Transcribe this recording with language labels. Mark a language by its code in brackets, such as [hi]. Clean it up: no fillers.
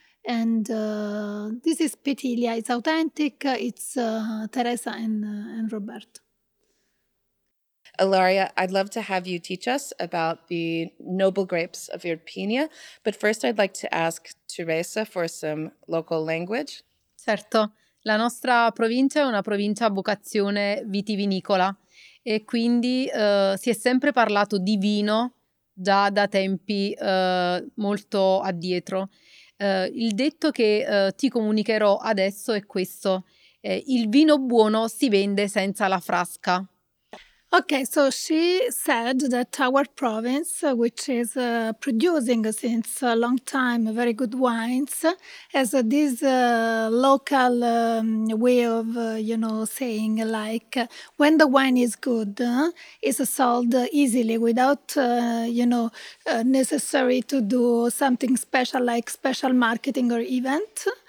[en] And this is Petilia. It's authentic. It's Teresa and Roberto. Ilaria, I'd love to have you teach us about the noble grapes of Irpinia, but first I'd like to ask Teresa for some local language. [it] Certo, la nostra provincia è una provincia a vocazione vitivinicola, e quindi si è sempre parlato di vino già da tempi molto addietro. Il detto che ti comunicherò adesso è questo: il vino buono si vende senza la frasca. [en] Okay, so she said that our province, which is producing since a long time very good wines, has this local way of, you know, saying, like, when the wine is good, it's sold easily without, you know, necessary to do something special, like special marketing or event.